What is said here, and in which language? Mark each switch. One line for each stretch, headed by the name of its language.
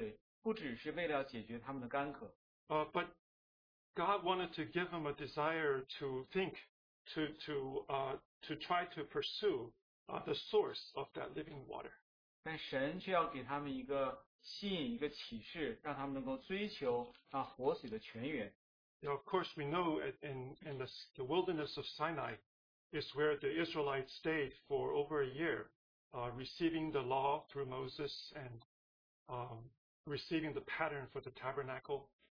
Chinese: 我突然明白了，虽然以色列百姓他们是这样的干渴，但神供应给他们水，不只是为了解决他们的干渴。
English: But God wanted to give them a desire to think, to try to pursue the source of that living water.
Chinese: 但神却要给他们一个吸引，一个启示，让他们能够追求活水的泉源。
English: Now, of course, we know in the wilderness of Sinai is where the Israelites stayed for over a year, receiving the law through Moses and receiving the pattern for the tabernacle.